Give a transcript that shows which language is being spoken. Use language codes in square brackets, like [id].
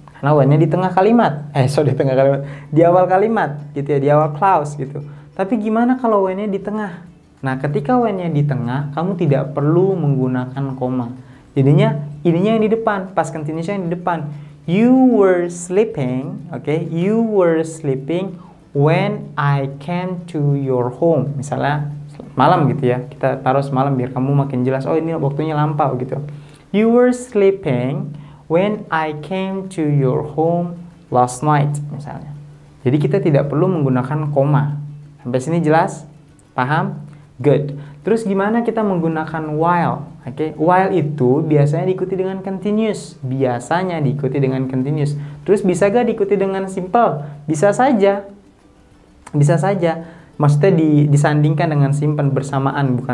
[id] Karena when-nya di tengah kalimat. Di tengah kalimat. Di awal kalimat, gitu ya. Di awal clause, gitu. Tapi gimana kalau when-nya di tengah? Nah, ketika when-nya di tengah, kamu tidak perlu menggunakan koma. Jadinya, ininya yang di depan. Past continuous yang di depan. [en] You were sleeping, [id] oke. Okay? [en] You were sleeping when I came to your home. [id] Misalnya, malam gitu ya. Kita taruh semalam biar kamu makin jelas. Oh, ini waktunya lampau, gitu. [en] You were sleeping when I came to your home last night, misalnya. [id] Jadi kita tidak perlu menggunakan koma. Sampai sini jelas? Paham? Good. Terus gimana kita menggunakan while? Oke, while itu biasanya diikuti dengan continuous. Biasanya diikuti dengan continuous. Terus bisa gak diikuti dengan simple? Bisa saja. Bisa saja. Maksudnya disandingkan dengan simple, bersamaan.